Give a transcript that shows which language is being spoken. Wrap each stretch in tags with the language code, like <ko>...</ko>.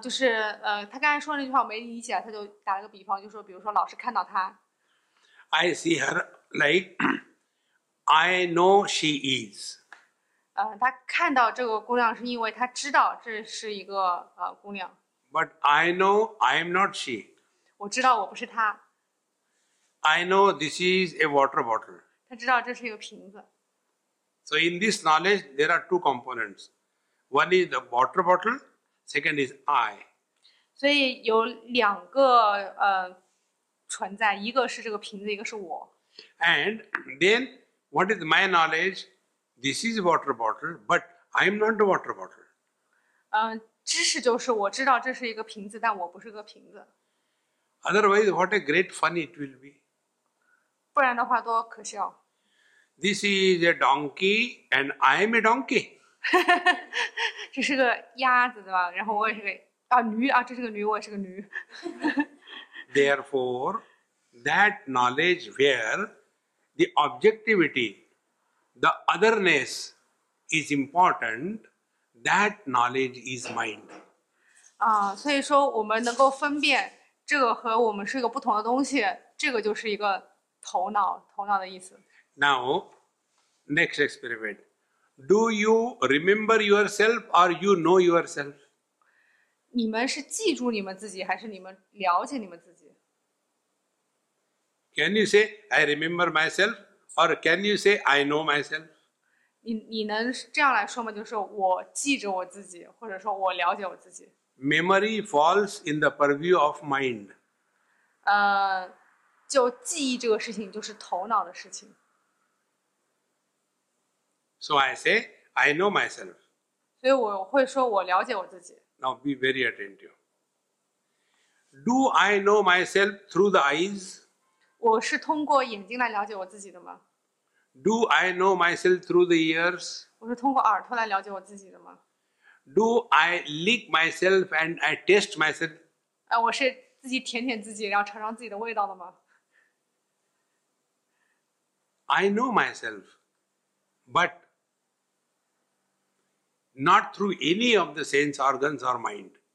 <zh>就是他刚才说的那句话我没理解，他就打了个比方，就说比如说老师看到他。</zh> <en>I see her like I know she is.</en> <zh>他看到这个姑娘是因为他知道这是一个姑娘。</zh> <en>But I know I am not she.</en> <zh>我知道我不是她。</zh> <en>I know this is a water bottle.</en> <zh>他知道这是一个瓶子。</zh> <en>So in this knowledge, there are two components. One is the water bottle, second is I.</en> <zh>所以有两个存在，一个是这个瓶子，一个是我。</zh> <en>And then, what is my knowledge? This is a water bottle, but I am not a water bottle.</en> <zh>知识就是我知道这是一个瓶子，但我不是个瓶子。</zh> <en>Otherwise, what a great fun it will be.</en> <zh>不然的话多可笑。</zh> <en>This is a donkey, and I am a donkey.</en> <zh>这是个鸭子对吧？然后我也是个驴啊，这是个驴，我也是个驴。</zh> <en>Therefore, that knowledge where the objectivity. The otherness is important. That knowledge is mind.</en> <zh>所以说我们能够分辨这个和我们是一个不同的东西，这个就是一个头脑，头脑的意思。</zh> <en>Now, next experiment. Do you remember yourself or you know yourself?</en> <zh>你们是记住你们自己，还是你们了解你们自己？</zh> <en>Can you say, I remember myself? Or can you say, I know myself?</en> <zh>你能这样来说吗？就是我记着我自己，或者说我了解我自己。</zh> <en>Memory falls in the purview of mind.</en> <zh>就记忆这个事情就是头脑的事情。</zh> <en>So I say, I know myself.</en> <zh>所以我会说我了解我自己。</zh> <en>Now be very attentive. Do I know myself through the eyes?</en> <zh>我是通过眼睛来了解我自己的吗</zh> <en>？Do I know myself through the ears？</en> <zh>我是通过耳朵来了解我自己的吗</zh> <en>？Do I lick myself and I taste myself？</en> <zh>我是自己舔舔自己，然后尝尝自己的味道的吗</zh> <en>？I know myself, but not through any of the sense organs or mind.</en>